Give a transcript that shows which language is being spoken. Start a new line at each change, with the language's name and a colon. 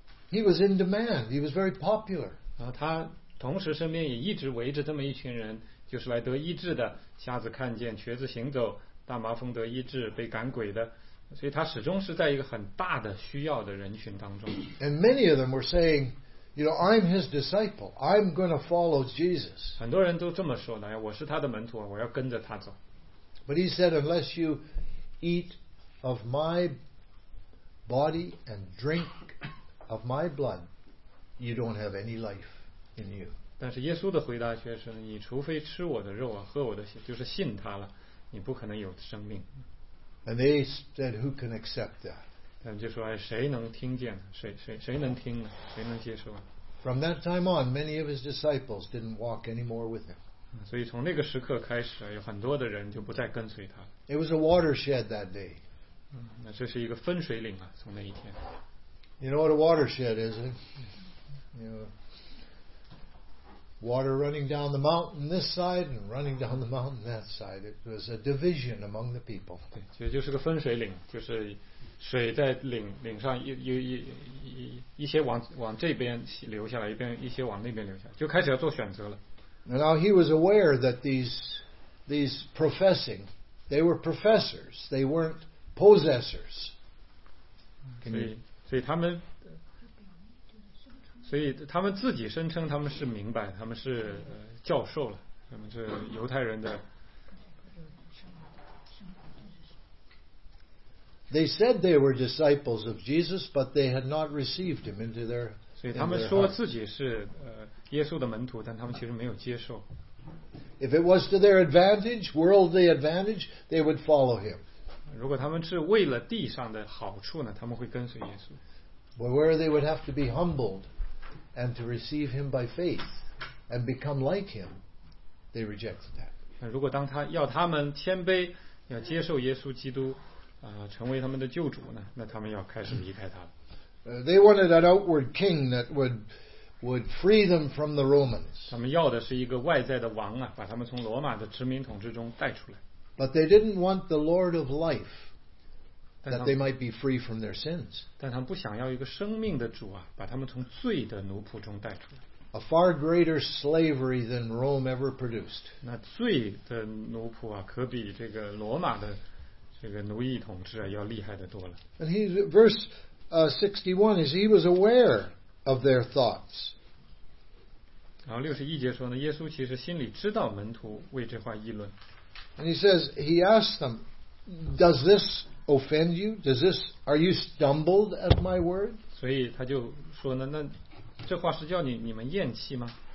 English: He was in demand. He was very popular.
Chinese: 他同时身边也一直围着这么一群人，就是来得医治的，瞎子看见，瘸子行走，大麻风得医治，被赶鬼的。所以他始终是在一个很大的需要的人群当中。
English: And many of them were saying, you know, I'm his disciple. I'm going to follow Jesus.
Chinese: 很多人都这么说的，我是他的门徒，我要跟着他走。
English: But he said, unless you eat of my body and drink of my blood, you don't have any life in you.
Chinese: 但是耶稣的回答却是，你除非吃我的肉啊，喝我的血，就是信他了，你不可能有生命。
English: And they said, "Who can accept that?"
Chinese: 他们就说，哎，谁能听见？谁能听呢？谁能接受？
English: From that time on, many of his disciples didn't walk anymore with him.
Chinese: 所以从那个时刻开始，有很多的人就不再跟随他。
English: It was a watershed that day.
Chinese: 那这是一个分水岭啊，从那一天。
English: You know what a watershed is, eh? You know, water running down the mountain this side and running down the mountain that side. It was a division among the people.
Chinese: 对，其实就是个分水岭，就是水在岭上一些往这边流下来，一些往那边流下来，就开始要做选择了。
English: Now he was aware that these professing, they were professors, they weren't possessors.
Chinese: 所以他们。所以他们自己声称他们是明白，他们是教授了，他们是犹太人的。
English: They said they were disciples of Jesus, but they had not received him into their.
Chinese: 所以他们说自己是耶稣的门徒，但他们其实没有接受。
English: If it was to their advantage, worldly advantage, they would follow him.
Chinese: 如果他们是为了地上的好处呢，他们会跟随耶稣。
English: But where they would have to be humbled. And to receive him by faith and become like him, they rejected that.
Chinese: 如果当他要他们谦卑，要接受耶稣基督，成为他们的救主呢，那他们要开始离开他了。
English: They wanted an outward king that would free them from the Romans.
Chinese: 他们要的是一个外在的王啊，把他们从罗马的殖民统治中带出来。
English: But they didn't want the Lord of life. That they might be free from their sins.
Chinese: 但他们不想要一个生命的主啊，把他们从罪的奴仆中带出来。
English: A far greater slavery than Rome ever produced.
Chinese: 那罪的奴仆啊，可比这个罗马的这个奴役统治啊要厉害的多了。
English: And he's verse 61 is he was aware of their thoughts.
Chinese: 然后六十一节说呢，耶稣其实心里知道门徒为这话议论。
English: And he says he asked them, does this offend you? Does this, are you stumbled at my word?
Chinese: 所以他就说呢，那这话是叫你们厌弃吗？